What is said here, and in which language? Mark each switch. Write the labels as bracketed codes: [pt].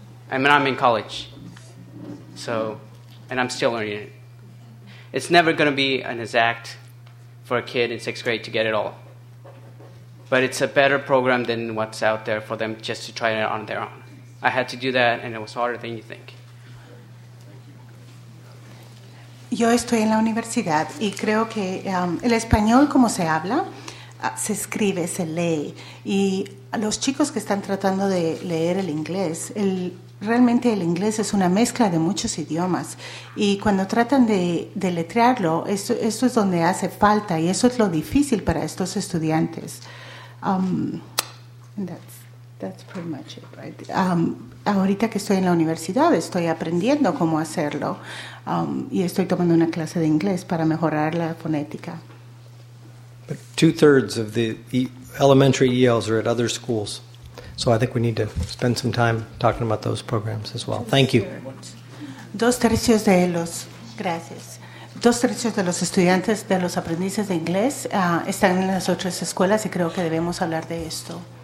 [en] I mean, I'm in college, so, and I'm still learning it. It's never going to be an exact for a kid in sixth grade to get it all. But it's a better program than what's out there for them just to try it on their own. I had to do that, and it was harder than you think. [es] Yo estoy en la universidad y creo que el español como se habla, se escribe, se lee. Y los chicos que están tratando de leer el inglés, realmente el inglés es una mezcla de muchos idiomas. Y cuando tratan de deletrearlo, esto es donde hace falta y eso es lo difícil para estos estudiantes. [en] That's pretty much it, right? [es] Ahorita que estoy en la universidad, estoy aprendiendo cómo hacerlo y estoy tomando una clase de inglés para mejorar la fonética. [en] But 2/3 of the elementary ELs are at other schools, so I think we need to spend some time talking about those programs as well. Thank you. [es] Dos tercios de los estudiantes de los aprendices de inglés están en las otras escuelas y creo que debemos hablar de esto.